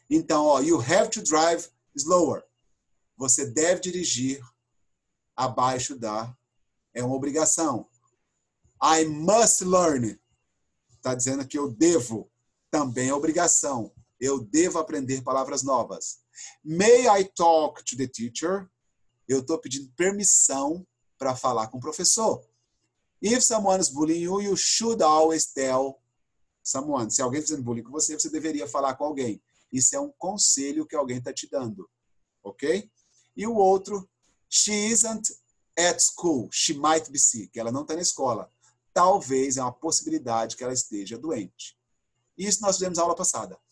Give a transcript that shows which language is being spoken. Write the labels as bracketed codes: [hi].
[pt] Então, ó, [en] you have to drive slower. [pt] Você deve dirigir abaixo da... É uma obrigação. [en] I must learn. [pt] Está dizendo que eu devo. Também é obrigação. Eu devo aprender palavras novas. [en] May I talk to the teacher? [pt] Eu estou pedindo permissão para falar com o professor. [en] If someone is bullying you, you should always tell someone. [pt] Se alguém está fazendo bullying com você, você deveria falar com alguém. Isso é um conselho que alguém está te dando. Ok? E o outro, [en] she isn't at school. She might be sick. [pt] Ela não está na escola. Talvez é uma possibilidade que ela esteja doente. Isso nós fizemos aula passada.